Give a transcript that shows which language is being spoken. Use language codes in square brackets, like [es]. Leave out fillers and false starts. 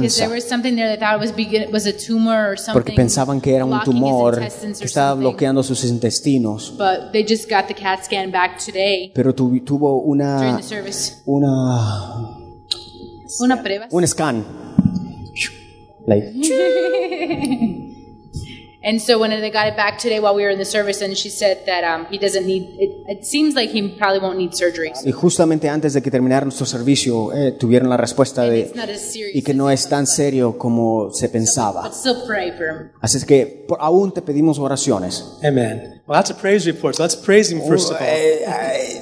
[en] because there was something there that thought was a tumor or something, [es] porque pensaban que era un tumor que estaba [en] something. [es] Bloqueando sus intestinos. [en] But they just got the CAT scan back today. [es] Pero tuvo una [en] during the service. [es] Una prueba. Un scan. [en] Like. [es] And so when they got it back today while we were in the service, and she said that he doesn't need it. It seems like he probably won't need surgery. Y justamente antes de que terminara nuestro servicio, tuvieron la respuesta [en] and [es] de [en] it's not as serious [es] y que no es tan serio como se pensaba. [en] But still pray for him. [es] Así es que aún te pedimos oraciones. [en] Amen. Well, that's a praise report. So let's praise him first of all.